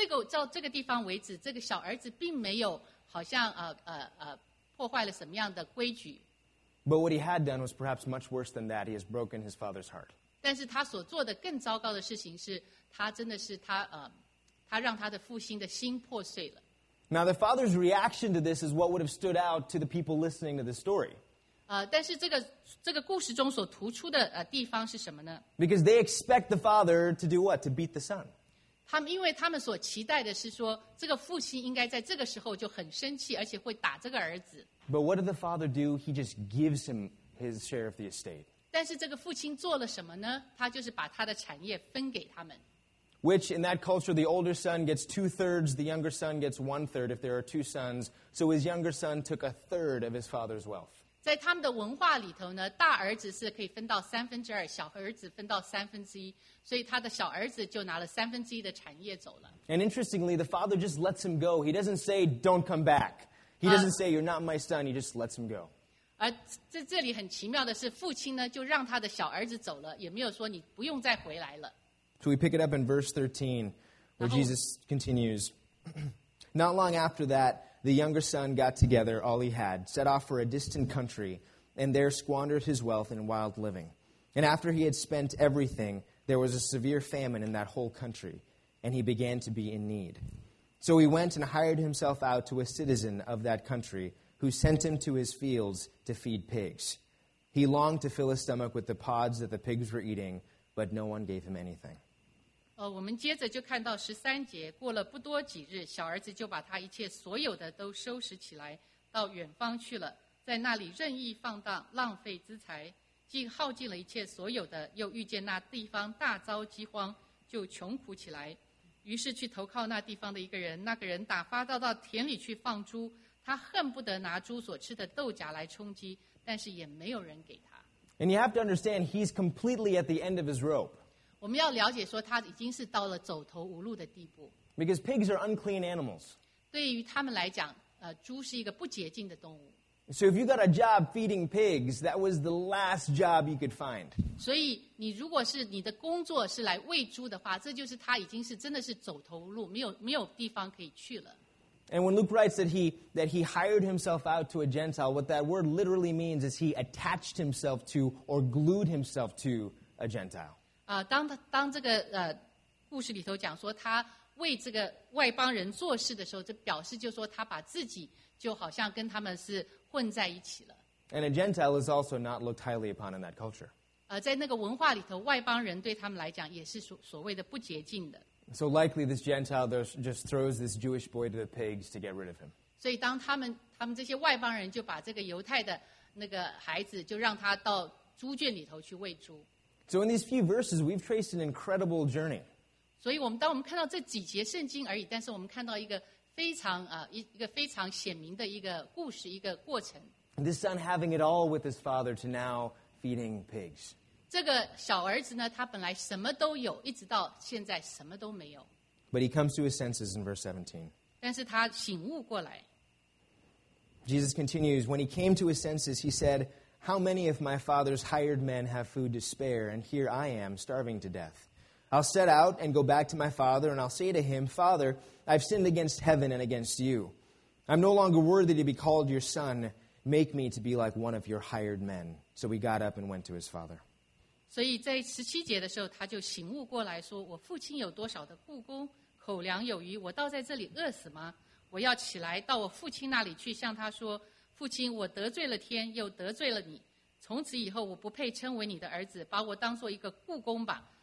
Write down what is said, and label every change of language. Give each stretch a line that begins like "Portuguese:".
Chinese: 到这个地方为止，这个小儿子并没有好像破坏了什么样的规矩。
English: But what he had done was perhaps much worse than that. He has broken his father's heart.
Chinese: 但是他所做的更糟糕的事情是，他真的是他让他的父亲的心破碎了。
English: Now, the father's reaction to this is what would have stood out to the people listening to the story.
Chinese: 但是这个故事中所突出的地方是什么呢？
English: Because they expect the father to do what? To beat the son.
Chinese: 因为他们所期待的是说，这个父亲应该在这个时候就很生气，而且会打这个儿子。
English: But what did the father do? He just gives him his share of the estate.
Chinese: 但是这个父亲做了什么呢？他就是把他的产业分给他们。
English: Which, in that culture, the older son gets two-thirds, the younger son gets one-third if there are two sons. So his younger son took a third of his father's wealth.
Chinese: 在他们的文化里头呢，大儿子是可以分到三分之二，小儿子分到三分之一，所以他的小儿子就拿了三分之一的产业走了。
English: And interestingly, the father just lets him go. He doesn't say, don't come back. He doesn't say, you're not my son. He just lets him go.
Chinese: 而在这里很奇妙的是，父亲呢，就让他的小儿子走了，也没有说你不用再回来了。
English: So we pick it up in verse 13, where Jesus continues, Not long after that, the younger son got together all he had, set off for a distant country, and there squandered his wealth in wild living. And after he had spent everything, there was a severe famine in that whole country, and he began to be in need. So he went and hired himself out to a citizen of that country, who sent him to his fields to feed pigs. He longed to fill his stomach with the pods that the pigs were eating, but no one gave him anything.
Chinese: 我们接着就看到十三节，过了不多几日，小儿子就把他一切所有的都收拾起来，到远方去了，在那里任意放荡，浪费资财，既耗尽了一切所有的，又遇见那地方大遭饥荒，就穷苦起来，于是去投靠那地方的一个人，那个人打发他到田里去放猪，他恨不得拿猪所吃的豆荚来充饥，但是也没有人给他。
English: And you have to understand, he's completely at the end of his rope.
Chinese: 我们要了解说他已经是到了走投无路的地步。
English: Because pigs are unclean animals.
Chinese: 对于他们来讲，猪是一个不洁净的动物。
English: So if you got a job feeding pigs, that was the last job you could find.
Chinese: 所以你如果是你的工作是来喂猪的话，这就是他已经是真的是走投无路，没有地方可以去了。
English: And when Luke writes that he hired himself out to a Gentile, what that word literally means is he attached himself to or glued himself to a Gentile.
Chinese: 当这个故事里头讲说他为这个外邦人做事的时候，这表示就是说他把自己就好像跟他们是混在一起了。
English: And a Gentile is also not looked highly upon in that culture.
Chinese: 在那个文化里头，外邦人对他们来讲也是所谓的不洁净的。
English: So likely this Gentile just throws this Jewish boy to the pigs to get rid of him.
Chinese: 所以当他们这些外邦人就把这个犹太的那个孩子就让他到猪圈里头去喂猪。
English: So in these few verses, we've traced an incredible journey.
Chinese: 所以当我们看到这几节圣经而已，但是我们看到一个非常一个非常显明的一个故事，一个过程。
English: This son having it all with his father to now feeding pigs.
Chinese: 这个小儿子呢，他本来什么都有，一直到现在什么都没有。
English: But he comes to his senses in verse 17.
Chinese: 但是他醒悟过来。
English: Jesus continues, when he came to his senses, he said, How many of my father's hired men have food to spare, and here I am starving to death? I'll set out and go back to my father, and I'll say to him, Father, I've sinned against heaven and against you. I'm no longer worthy to be called your son. Make me to be like one of your hired men. So he got up and went to his father.
Chinese: 所以在十七节的时候，他就醒悟过来说，我父亲有多少的雇工，口粮有余，我倒在这里饿死吗？我要起来到我父亲那里去，向他说，父亲，我得罪了天，又得罪了你。从此以后，我不配称为你的儿子，把我当做一个雇工吧。